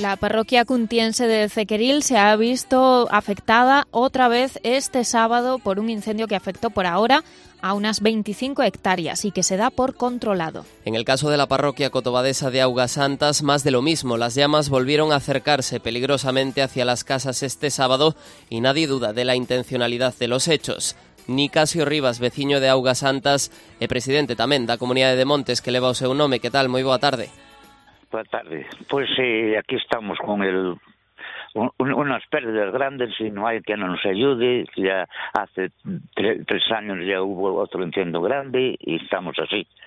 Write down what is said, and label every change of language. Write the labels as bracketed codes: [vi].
[es] La parroquia cuntiense de Cequeril se ha visto afectada otra vez este sábado por un incendio que afectó por ahora a unas 25 hectáreas y que se da por controlado. En el caso de la parroquia cotobadesa de Augas Santas, más de lo mismo. Las llamas volvieron a acercarse peligrosamente hacia las casas este sábado y nadie duda de la intencionalidad de los hechos. [gl] Nicasio Rivas, veciño de Augas Santas e presidente tamén da Comunidade de Montes, que leva o seu nome. Que tal? Moi boa tarde. Boa tarde. Pois sí, aquí estamos con el unas pérdidas grandes e non hai que non nos ayude. [es] Ya hace tres años ya hubo outro incendio grande e estamos así.